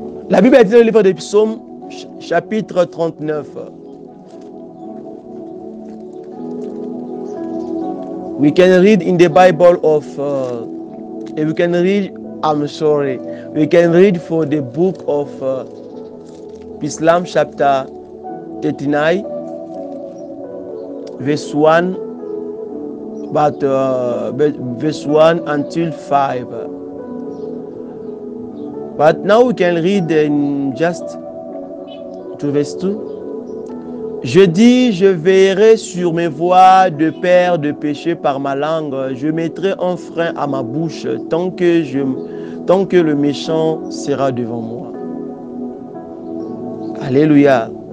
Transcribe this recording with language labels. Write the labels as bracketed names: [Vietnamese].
[French] La Bible est dans le livre des Psaumes, chapitre 39. [English] We can read in the Bible of, and we can read, I'm sorry, we can read for the book of Psalm, chapter 39, verse 1. But verse 1 until 5. But now we can read in just to verse 2. [French] Je dis, je veillerai sur mes voies de père de péché par ma langue. Je mettrai un frein à ma bouche tant que le méchant sera devant moi. Alléluia.